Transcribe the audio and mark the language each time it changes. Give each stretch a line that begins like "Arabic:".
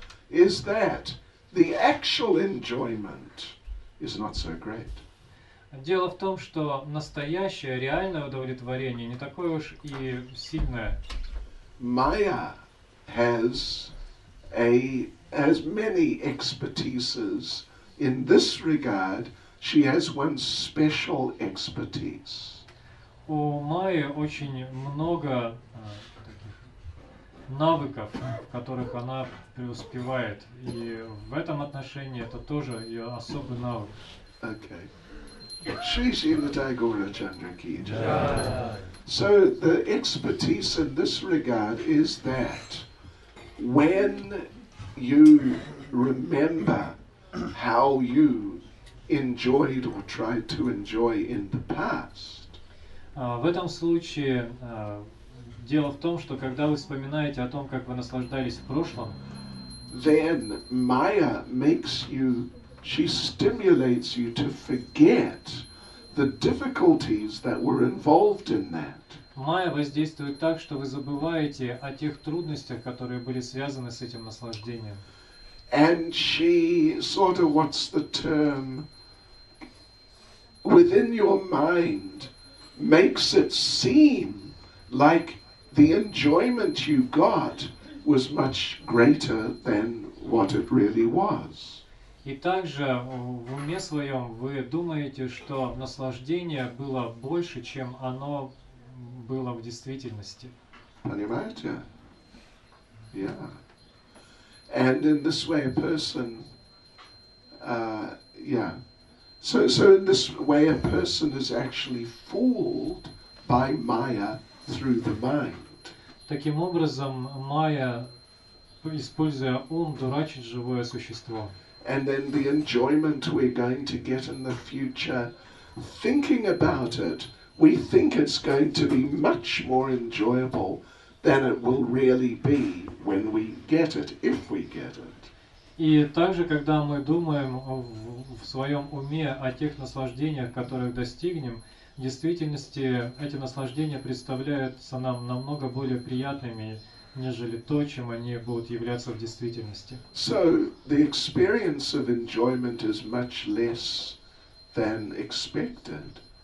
English: Is that the actual enjoyment is not so great.
Russian: Дело в том, что настоящее, реальное удовлетворение не такое уж и сильное.
English: Maya has many expertises in this regard. She has one special expertise.
Russian: У Майи очень много навыков, в которых она преуспевает, и в этом отношении это тоже ее особый навык.
English: Okay. Shri Srimati Gaura Chandraki. Yeah. So the expertise in this regard is that when you remember how you enjoyed or tried to enjoy in the past.
Russian: В этом случае дело в том, что когда вы вспоминаете о том, как вы наслаждались в прошлом,
English: then Maya makes you, she stimulates you to forget the difficulties that were involved in that.
Russian: Майя воздействует так, что вы забываете о тех трудностях, которые были связаны с этим наслаждением.
English: And she sort of, what's the term, within your mind, makes it seem like the enjoyment you got was much greater than what it really was.
Russian: И также в уме своем вы думаете, что наслаждение было больше, чем оно было в действительности. Понимаете? Yeah.
English: And in this way a person So in this way a person is actually fooled by Maya through the mind.
Russian: Таким образом, Майя, используя ум, дурачит живое существо.
English: And then the enjoyment we're going to get in the future, thinking about it, we think it's going to be much more enjoyable than it will really be when we get it, if we get it.
Russian: И также, когда мы думаем в своем уме о тех наслаждениях, которых достигнем, В действительности эти наслаждения представляются нам намного более приятными, нежели то, чем они будут являться в действительности.
English: So the experience of enjoyment is much less than expected.